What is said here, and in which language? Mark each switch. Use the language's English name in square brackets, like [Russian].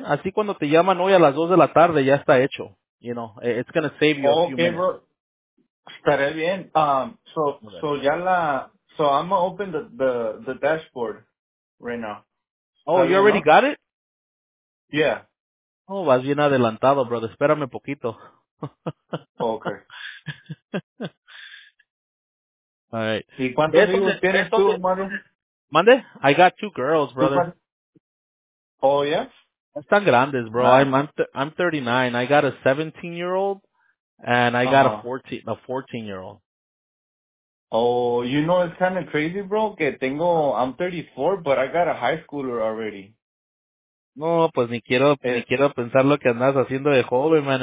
[Spanish] Así cuando te llaman hoy a las 2 de la tarde, ya está hecho. [English] You know, it's going to save you a few minutes. [Spanish] Okay, bro. Estaré bien. [English] So I'm gonna open the dashboard right now. Got it? Yeah. [Spanish] Oh, vas bien adelantado, brother. Espérame poquito. [English] Okay. All right. [Spanish] ¿Y cuántos hijos tienes tú, hermano? Mande. [English] I got 2 girls, brother. Oh, yeah? [Spanish] Están grandes, [English] bro. Nice. I'm 39. I got a 17-year-old. And I got a 14-year-old. Oh, you know, it's kind of crazy, bro, [Spanish] que tengo, [English] I'm 34, but I got a high schooler already. [Spanish] No, pues ni quiero pensar lo que andas haciendo de joven, man.